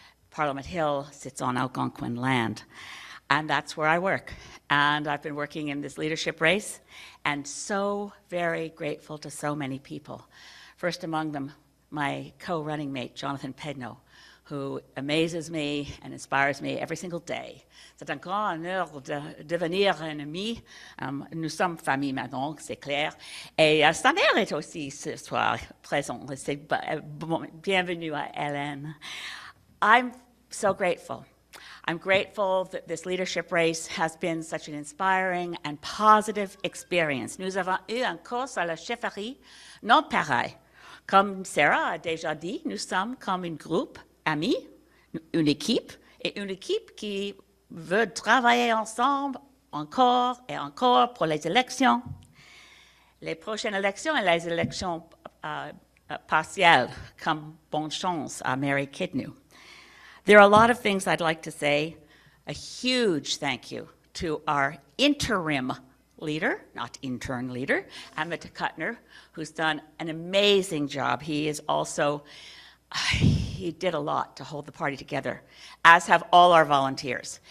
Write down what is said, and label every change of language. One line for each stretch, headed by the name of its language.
English: Parliament Hill sits on Algonquin land. And that's where I work. And I've been working in this leadership race, and so very grateful to so many people. First among them, my co-running mate, Jonathan Pedneault, who amazes me and inspires me every single day.
French: C'est un grand honneur de devenir un ami. Nous sommes famille maintenant, c'est clair. Et sa mère est aussi ce soir présente. C'est bienvenue à Hélène.
English: I'm so grateful. I'm grateful that this leadership race has been such an inspiring and positive experience.
French: Nous avons eu un cours à la chefferie, non pareil. Comme Sarah a déjà dit, nous sommes comme un groupe amis, une équipe, et une équipe qui veut travailler ensemble encore et encore pour les élections. Les prochaines élections et les élections partiel, comme bonne chance à Mary Kidnew.
English: There are a lot of things I'd like to say. A huge thank you to our interim leader, not intern leader, Amit Kuttner, who's done an amazing job. He is also, he did a lot to hold the party together, as have all our volunteers.